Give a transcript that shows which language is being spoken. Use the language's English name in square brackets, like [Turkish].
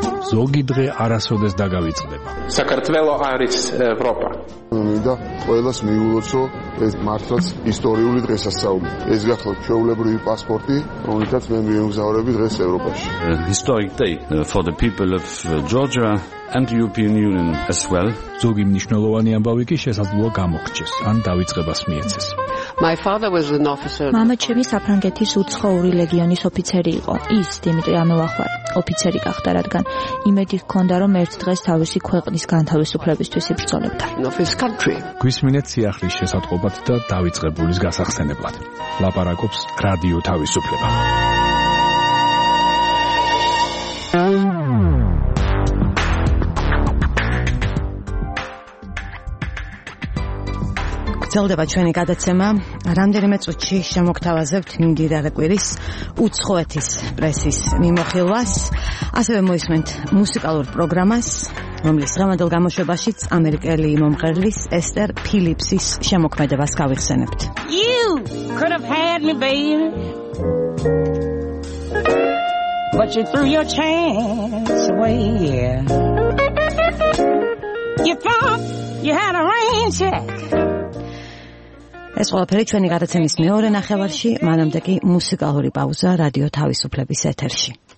[Georgian] ზოგი დღე არასოდეს დაგავიწყდება. საქართველოს არის ევროპა. მინდა ყოველას მიულოცო ეს მართლაც ისტორიული დღესასწაული. ეს გახლავთ ჩვეულებრივი პასპორტი, რომელიც მე მიემგზავრები დღეს ევროპაში. [English] Historic day for the people of Georgia and the European Union as well. [Georgian] ზოგი მნიშვნელოვანი ამბავი კი შესაძლოა გამოხდეს ან დაიწყებას მიეცეს. [English] My father was an officer. [Georgian] მამა ჩემი საფრანგეთის უცხოური ლეგიონის ოფიცერი იყო. ის დიმიტრი ამოახვარ ოფიცერი გახდა, რადგან იმედი ჰქონდა, რომ ერთ დღეს თავისი ქვეყნის განთავისუფლებისთვის იბრძოლებდა. გვისმინეთ სიახლის შესატყობად და დაიწყებულის გასახსენებლად. ლაპარაკობს რადიო თავისუფლება. წელდება ჩვენი გადაცემა. რამდენიმე წუთში შემოგთავაზებთ მიმდინარე კვირის უცხოეთის პრესის მიმოხილვას. ასევე მოისმენთ მუსიკალურ პროგრამას, რომლის დღევანდელ გამოშვებაშიც ამერიკელი მომღერლის ესტერ ფილიპსის შემოქმედებას გავიხსენებთ. [English] You could have had me, baby. But you threw your chance away, yeah. You thought you had a rain check. [Georgian] ეს ყველაფერი ჩვენი გადაცემის მეორე ნახევარში, მანამდე კი მუსიკალური პაუზა რადიო თავისუფლების ეთერში.